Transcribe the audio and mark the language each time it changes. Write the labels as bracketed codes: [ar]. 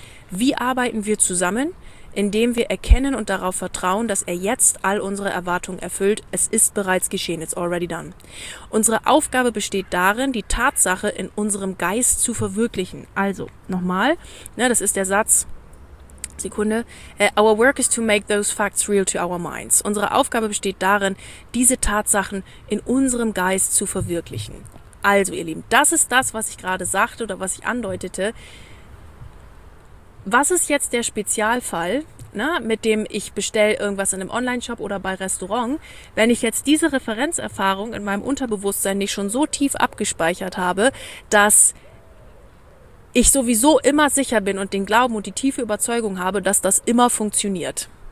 [de] Wie arbeiten wir zusammen? Indem wir erkennen und darauf vertrauen, dass er jetzt all unsere Erwartungen erfüllt. Es ist bereits geschehen. [en] It's already done. [de] Unsere Aufgabe besteht darin, die Tatsache in unserem Geist zu verwirklichen. Also, nochmal, ne, das ist der Satz. Sekunde. [en] Our work is to make those facts real to our minds. [de] Unsere Aufgabe besteht darin, diese Tatsachen in unserem Geist zu verwirklichen. Also, ihr Lieben, das ist das, was ich gerade sagte oder was ich andeutete. Was ist jetzt der Spezialfall, ne, mit dem ich bestelle irgendwas in einem Online-Shop oder bei Restaurant, wenn ich jetzt diese Referenzerfahrung in meinem Unterbewusstsein nicht schon so tief abgespeichert habe, dass ich sowieso immer sicher bin und den Glauben und die tiefe Überzeugung habe, dass das immer funktioniert?